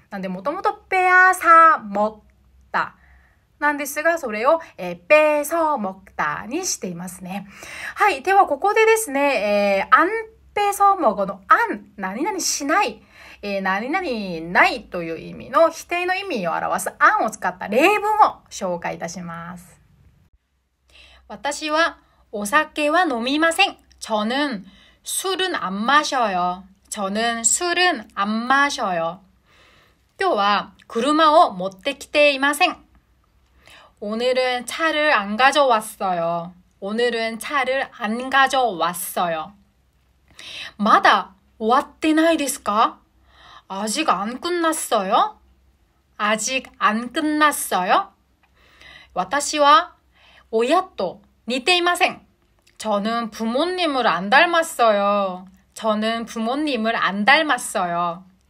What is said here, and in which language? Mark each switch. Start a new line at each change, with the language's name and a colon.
Japanese: なんでもともとペアサ 먹다 なんですが、それをペソモクタにしていますね。はい、ではここでですね、アンペソモゴのアン、何々しない、何々ないという意味の否定の意味を表すアンを使った例文を紹介いたします。私はお酒は飲みません。
Korean: 저는 술은 안 마셔요. 저는 술은 안 마셔요.
Japanese: 今日は車を持ってきていません.
Korean: 오늘은 차를 안 가져왔어요. 오늘은 차를 안 가져왔어요.
Japanese: まだ終わってないですか?
Korean: 아직 안 끝났어요? 아직 안 끝났어요?
Japanese: 私は親と似ていません.
Korean: 저는 부모님을 안 닮았어요. 저는 부모님을 안 닮았어요.